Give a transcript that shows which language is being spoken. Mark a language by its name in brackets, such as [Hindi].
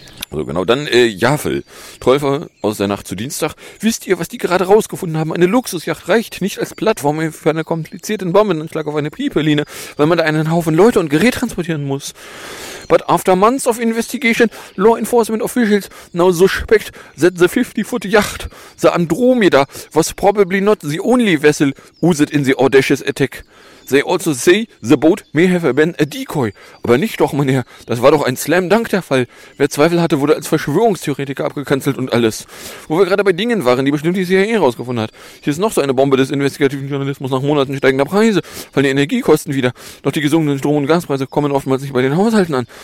[German] Also genau, dann Javel. Träufer aus der Nacht zu Dienstag. Wisst ihr, was die gerade rausgefunden haben? Eine Luxusjacht reicht nicht als Plattform für einen komplizierten Bombenanschlag auf eine Pipeline, weil man da einen Haufen Leute und Gerät transportieren muss. [English] But after months of investigation, law enforcement officials now suspect that the 50-foot yacht, the Andromeda, was probably not the only vessel used in the audacious attack. They also say the boat may have been a decoy. [German] Aber nicht doch, mein Herr. Das war doch ein Slam-Dunk der Fall. Wer Zweifel hatte, wurde als Verschwörungstheoretiker abgekanzelt und alles. Wo wir gerade bei Dingen waren, die bestimmt die CIA rausgefunden hat. Hier ist noch so eine Bombe des investigativen Journalismus. Nach Monaten steigender Preise fallen die Energiekosten wieder. Doch die gesunkenen Strom- und Gaspreise kommen oftmals nicht bei den Haushalten an.